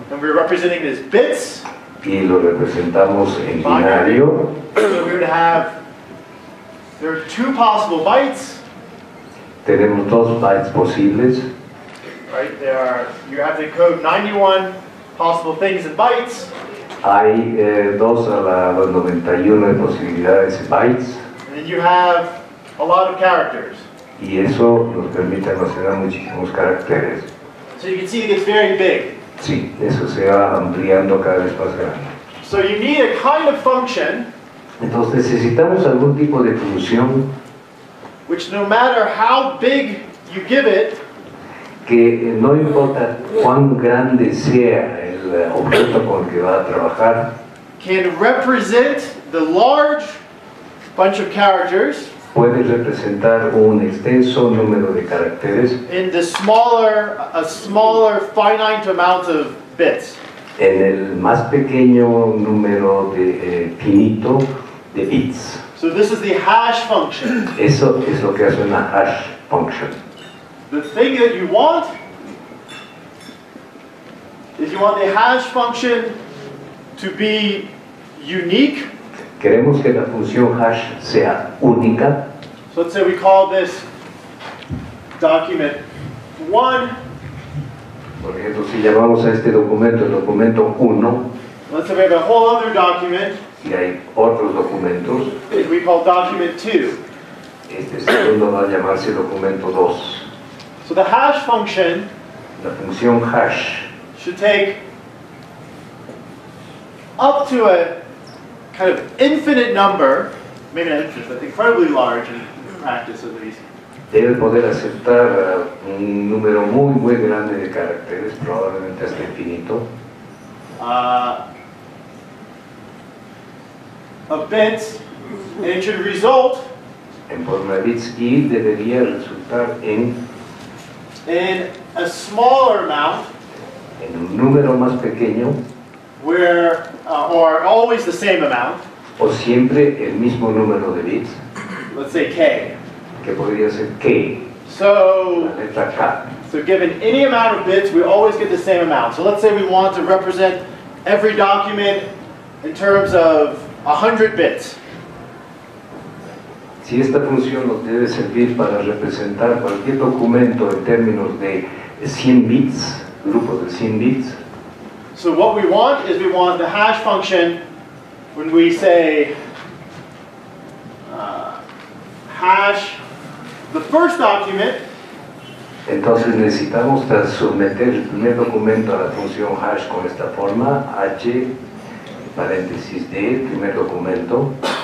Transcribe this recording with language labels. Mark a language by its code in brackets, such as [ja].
[en] and we're representing it as bits, [es] y lo representamos en binario, [en] so we would have, there are two possible bytes. [es] Tenemos dos bytes posibles. [en] Right, there are, you have to encode 91 possible things in bytes. [es] Hay dos a la 91 de posibilidades en bytes. [en] And then you have a lot of characters. [es] Y eso nos permite almacenar muchísimos caracteres. [en] So you can see it gets very big. [es] Sí, eso se va ampliando cada vez más grande. [en] So you need a kind of function. [es] Entonces necesitamos algún tipo de función. [en] Which no matter how big you give it. [es] Que no importa cuán grande sea el objeto con el que va a trabajar. [en] Can represent the large bunch of characters. [es] Puede representar un extenso número de caracteres [en] in the smaller finite amount of bits. [es] En el más pequeño número de finito de bits. [en] So this is the hash function. [es] Eso es lo que hace una hash function. [en] The thing that you want is you want the hash function to be unique. [es] Queremos que la función hash sea única. [en] So let's say we call this document 1. [es] Por ejemplo, si llamamos a este documento el documento 1. [en] Let's say we have a whole other document. [es] Y hay otros documentos. [en] Which we call document 2. [es] Este segundo va a llamarse documento 2. [en] So the hash function. [es] La función hash. [en] Should take up to a kind of infinite number, maybe not infinite, but incredibly large in practice at least. [es] Debe poder aceptar un número muy, muy grande de caracteres, probablemente hasta infinito. [en] Of bits, and it should result [es] en forma de bits y debería resultar [en] in a smaller amount, [es] en un número más pequeño, [en] or always the same amount, [es] o siempre el mismo número de bits. [en] Let's say K. [es] Que podría ser K. [en] So, [es] la letra K. [en] So given any amount of bits, we always get the same amount. So let's say we want to represent every document in terms of 100 bits. [es] Si esta función nos debe servir para representar cualquier documento en términos de 100 bits, grupo de 100 bits. [en] So what we want is we want the hash function when we say hash the first document. [es] Entonces necesitamos someter el primer documento a la función hash con esta forma, h paréntesis d, primer documento.